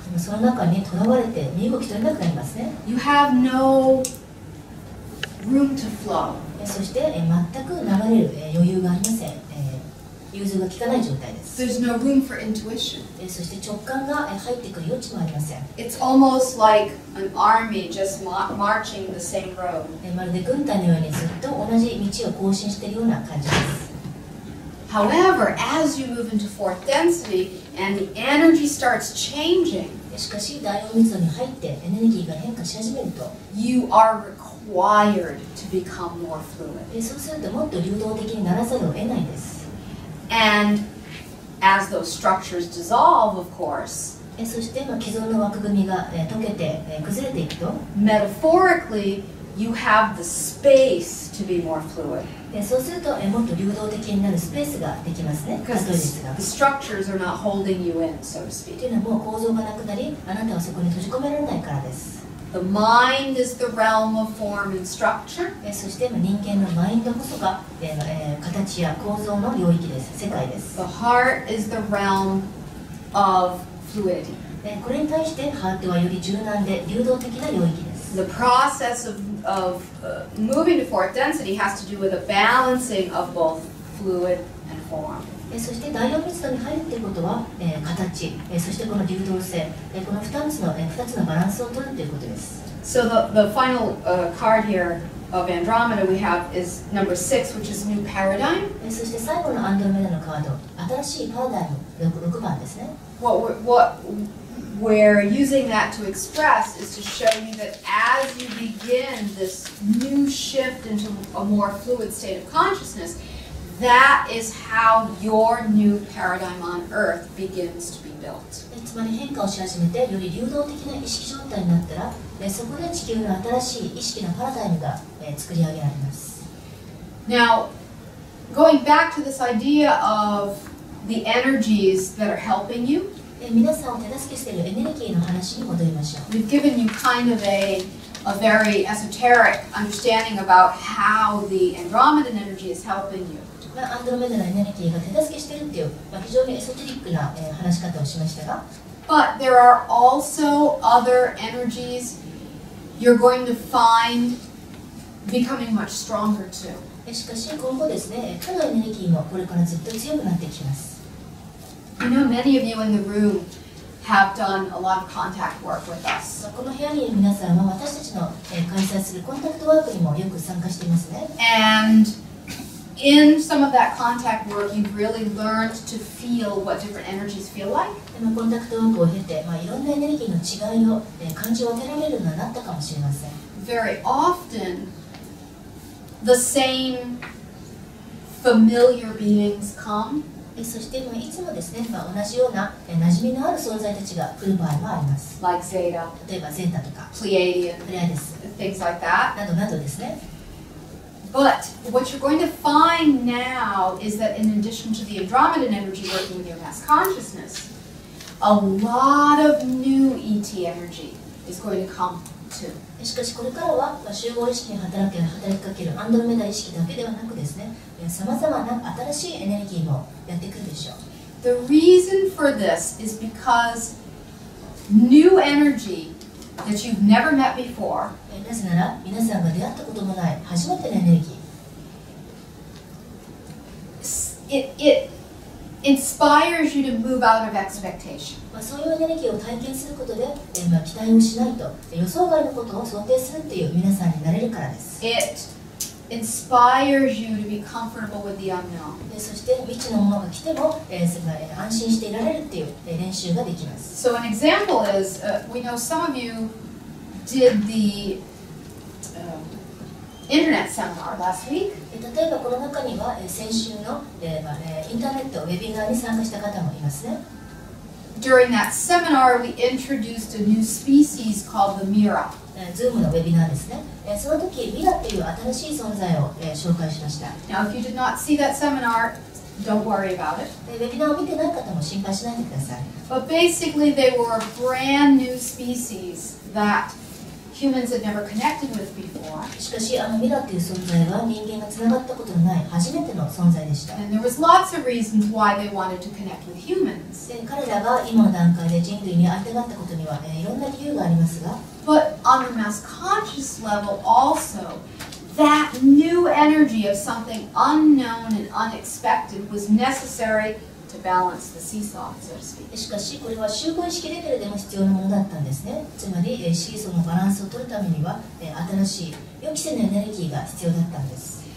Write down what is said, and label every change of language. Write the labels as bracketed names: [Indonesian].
[Japanese] その中に囚われて身動き取れなくなりますね。 [English] You have no room to flow. [Japanese] そして全く流れる余裕がありません。融通が効かない状態です。 [English] There's no room for intuition. [Japanese] そして直感が入ってくる余地もありません。 [English] It's almost like an army just marching the same road. [Japanese] まるで軍隊のようにずっと同じ道を行進しているような感じです。 [English] However, as you move into fourth density and the energy starts changing, [Japanese] しかし第4密度に入ってエネルギーが変化し始めると、 [English] You are required to become more fluid. [Japanese] そうするともっと流動的にならざるを得ないです。 [English] And as those structures dissolve, of course, [Japanese] そして既存の枠組みが溶けて崩れていくと [English] metaphorically, you have the space to be more fluid. [Japanese] そうするともっと流動的になるスペースができますね。 [English] Because the structures are not holding you in, so to speak. [Japanese] というのはもう構造がなくなり、あなたはそこに閉じ込められないからです。 [English] The mind is the realm of form and structure. [Japanese] そして人間のマインドこそが形や構造の領域です。世界です。 [English] The heart is the realm of fluidity. [Japanese] これに対してハートはより柔軟で流動的な領域です。 [English] The process of moving to fourth density has to do with a balancing of both fluid and form. [Japanese] そして第4密度に入るということは、形、そしてこの流動性、この2つのバランスを取るということです。 [English] So the final card here of Andromeda we have is number 6, which is new paradigm. [Japanese] そして最後のアンドロメダのカード、新しいパラダイム、6番ですね。 [English] What we're using that to express is to show you that as you begin this new shift into a more fluid state of consciousness, that is how your new paradigm on Earth begins to be built. [Japanese] つまり変化をし始めて、より流動的な意識状態になったら、そこで地球の新しい意識のパラダイムが作り上げられます。 [English] Now, going back to this idea of the energies that are helping you, [Japanese] 皆さんを手助けしているエネルギーの話に戻りましょう。 [English] We've given you kind of a very esoteric understanding about how the Andromedan energy is helping you. [Japanese] アンドロメダのエネルギーが手助けしてるっていう、非常にエソテリックな、話し方をしましたが。 [English] But there are also other energies you're going to find becoming much stronger too. [Japanese] しかし今後ですね、他のエネルギーもこれからずっと強くなっていきます。 [English] I know many of you in the room have done a lot of contact work with us. [Japanese] この部屋にいる皆さんは私たちの、開催するコンタクトワークにもよく参加していますね。 [English] AndIn some of that contact work, you've really learned to feel what different energies feel like. [Japanese] コンタクトワークを経て、いろんなエネルギーの違いを、感じ分けられるようになったかもしれません。 [English] Very often, the same familiar beings come. [Japanese] そして、いつもですね、同じような、馴染みのある存在たちが来る場合もあります。 [English] Like Zeta. [Japanese] 例えば、ゼータとか、 [English] Pleiadian. Things like that. [Japanese] などなどですね。 [English] But what you're going to find now is that in addition to the Andromedan energy working with your mass consciousness, a lot of new ET energy is going to come too. [Japanese] しかしこれからは集合意識に働きかけるアンドロメダ意識だけではなくですね、さまざまな新しいエネルギーもやってくるでしょう。 [English] The reason for this is because new energy that you've never met before. [Japanese] なぜなら皆さんが出会ったこともない初めてのエネルギ [English] ー it inspires you to move out of expectation. [Japanese] そういうエネルギーを体験することで、期待をしないと予想外のことを想定するという皆さんになれるからです。 [English] It inspires you to be comfortable with the unknown. [Japanese] そして未知のものが来ても、安心していられるという練習ができます。 [English] So an example is, we know some of youdid the internet seminar last week. [Japanese] 例えばこの中には先週のインターネットウェビナーに参加した方もいますね。 [English] During that seminar, we introduced a new species called the Mira. [Japanese] Zoom のウェビナーですね。その時、ミラという新しい存在を紹介しました。 [English] Now, if you did not see that seminar, don't worry about it. [Japanese] ウェビナーを見てない方も心配しないでください。 [English] But basically, they were a brand new speciesThat humans had never connected with before. [Japanese] しかし、ミラという存在は人間がつながったことのない初めての存在でした。 [English] And there was lots of reasons why they wanted to connect with humans. [Japanese] 彼らが今の段階で人類に会いたかったことには、いろんな理由がありますが。 [English] But on the mass conscious level also, that new energy of something unknown and unexpected was necessary. Balance the seesaw, so to speak. [Japanese] しかしこれは集合意識レベルでも必要なものだったんですね。つまり、シーソーのバランスを取るためには、新しい予期せぬエネルギーが必要だったんです。